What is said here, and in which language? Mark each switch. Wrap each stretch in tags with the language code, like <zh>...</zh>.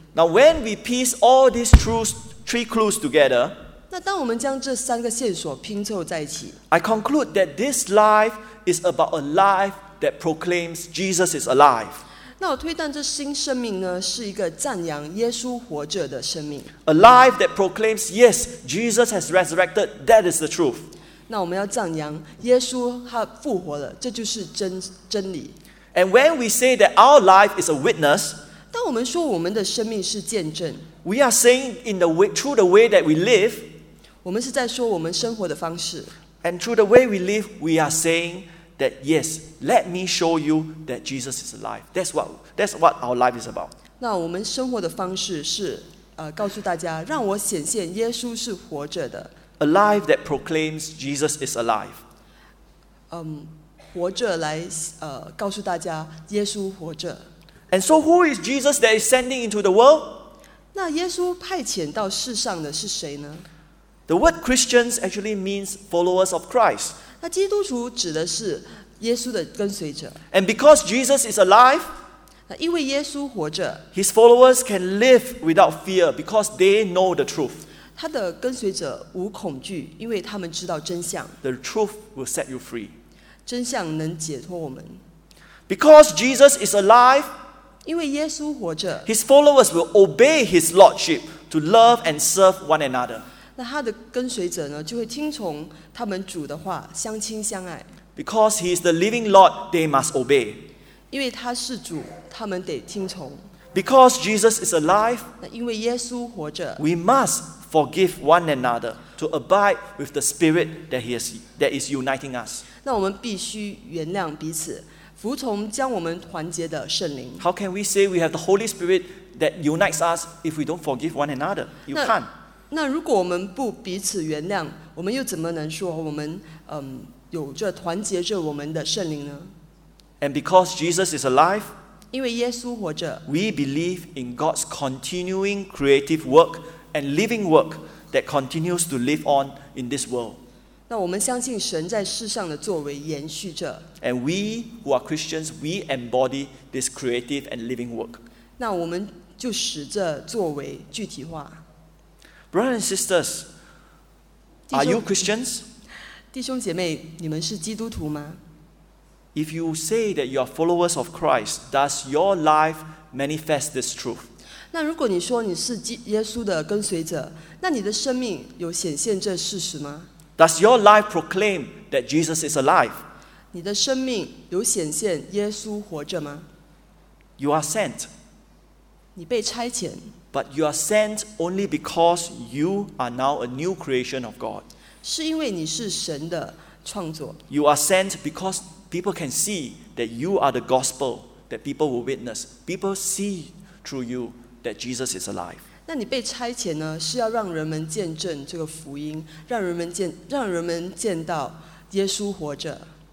<en>Now, when we piece all these three clues together,</en> <zh>那当我们将这三个线索拼凑在一起，</zh> <en>I conclude that this life is about a life that proclaims Jesus is alive.</en> <zh>那我推断这新生命呢，是一个赞扬耶稣活着的生命。</zh> <en>A life that proclaims, yes, Jesus has resurrected. That is the truth.</en> <zh>那我们要赞扬耶稣他复活了，这就是真理。</zh> <en>And when we say that our life is a witness,</en> <zh>当我们说我们的生命是见证，</zh> <en>we are saying through the way that we live,</en> <zh>我们是在说我们生活的方式。</zh> <en>And through the way we live, we are saying that yes, let me show you that Jesus is alive. That's what our life is about.</en> <zh>那我们生活的方式是告诉大家，让我显现耶稣是活着的。</zh> <en>A life that proclaims Jesus is alive.</en> <zh>活着来告诉大家耶稣活着。</zh> <en>And so who is Jesus that is sending into the world?</en> <zh>那耶稣派遣到世上的是谁呢？</zh> <en>The word Christians actually means followers of Christ.</en> <zh>那基督徒指的是耶稣的跟随者。</zh> <en>And because Jesus is alive,</en> <zh>那因为耶稣活着，</zh> <en>his followers can live without fear because they know the truth.</en> <zh>他的跟随者无恐惧，因为他们知道真相。</zh> <en>The truth will set you free.</en> <zh>真相能解脱我们。</zh> <en>Because Jesus is alive,</en> <zh>因为耶稣活着，</zh> <en>his followers will obey his lordship to love and serve one another.</en> <zh>那他的跟随者呢，就会听从他们主的话，相亲相爱。</zh> <en>Because he is the living Lord, they must obey.</en> <zh>因为他是主，他们得听从。</zh> <en>Because Jesus is alive,</en> <zh>那因为耶稣活着，</zh> <en>we must. Forgive one another to abide with the spirit that is uniting us.</en> <zh>那我们必须原谅彼此，服从将我们团结的圣灵。</zh> <en>How can we say we have the Holy Spirit that unites us if we don't forgive one another? You can't.</en> <zh>那如果我们不彼此原谅，我们又怎么能说我们有着团结着我们的圣灵呢？</zh> <en>And because Jesus is alive,</en> <zh>因为耶稣活着，</zh> <en>we believe in God's continuing creative work. And living work that continues to live on in this world.</en> <zh>那我们相信神在世上的作为延续着。</zh> <en>And we who are Christians, we embody this creative and living work.</en> <zh>那我们就使这作为具体化。</zh> <en>Brothers and sisters, are you Christians?</en> <zh>弟兄姐妹，你们是基督徒吗？</zh> <en>If you say that you are followers of Christ, does your life manifest this truth?</en> <zh>那如果你说你是耶稣的跟随者，那你的生命有显现这事实吗？</zh> <en>Does your life proclaim that Jesus is alive?</en> <zh>你的生命有显现耶稣活着吗？</zh> <en>You are sent.</en> <zh>你被差遣。</zh> <en>But you are sent only because you are now a new creation of God.</en> <zh>是因为你是神的创作。</zh> <en>You are sent because people can see that you are the gospel that people will witness. People see through you that Jesus is alive.</en> <zh>那你被差遣呢，是要让人们见证这个福音，让人们见到耶稣活着。</zh>